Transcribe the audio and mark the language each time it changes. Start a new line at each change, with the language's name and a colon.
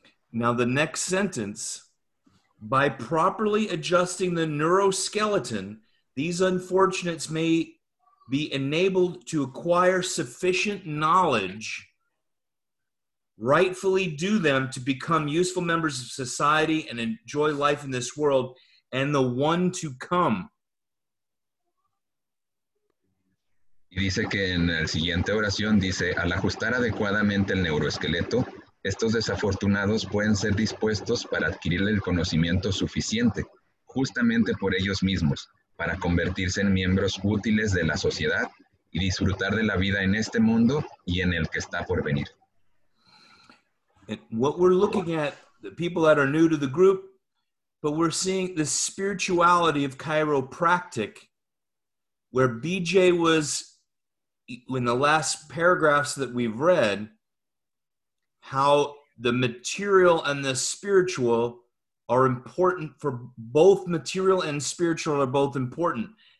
English: Now the next sentence, by properly adjusting the neuroskeleton, these unfortunates may be enabled to acquire sufficient knowledge, rightfully due them to become useful members of society and enjoy life in this world and the one to come.
Spanish: Y dice que en la siguiente oración dice, al ajustar adecuadamente el neuroesqueleto, estos desafortunados pueden ser dispuestos para adquirir el conocimiento suficiente, justamente por ellos mismos, para convertirse en miembros útiles de la sociedad y disfrutar de la vida en este mundo y en el que está por venir.
English: And what we're looking at, the people that are new to the group, but we're seeing the spirituality of chiropractic, where BJ was... In the last paragraphs that we've read, how the material and the spiritual are important for both material and spiritual are both important.